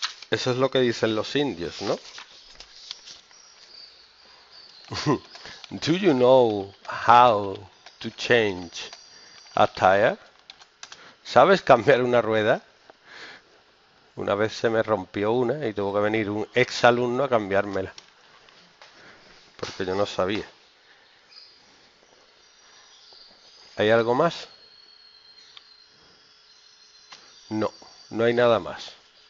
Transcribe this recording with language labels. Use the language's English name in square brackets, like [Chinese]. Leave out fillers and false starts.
[Spanish] Eso es lo que dicen los indios, ¿no? [English] Do you know how to change a tire? [Spanish] ¿Sabes cambiar una rueda? Una vez se me rompió una y tuvo que venir un ex alumno a cambiármela. Porque yo no sabía. ¿Hay algo más? No, no hay nada más.